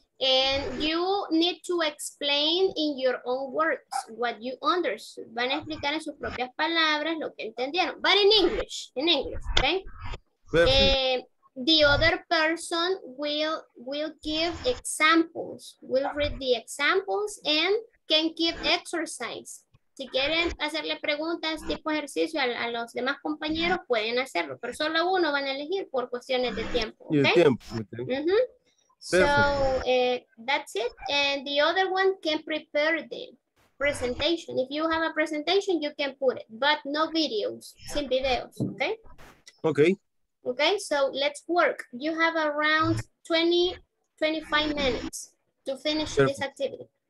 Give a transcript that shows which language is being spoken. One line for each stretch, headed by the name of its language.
English: And you need to explain in your own words what you understood.
Spanish: Van a explicar en sus propias palabras lo que entendieron.
English: But in English, okay? The other person will give examples, will read the examples and can give exercise.
Spanish: Si quieren hacerle preguntas tipo ejercicio a los demás compañeros, pueden hacerlo, pero solo uno van a elegir por cuestiones de tiempo.
English: Okay?
Spanish: Y el tiempo. Okay.
English: Mm-hmm. So that's it. And the other one can prepare the presentation. If you have a presentation, you can put it, but no videos,
Spanish: sin videos.
English: Okay. Okay. Okay, so let's work. You have around 20-25 minutes to finish this activity.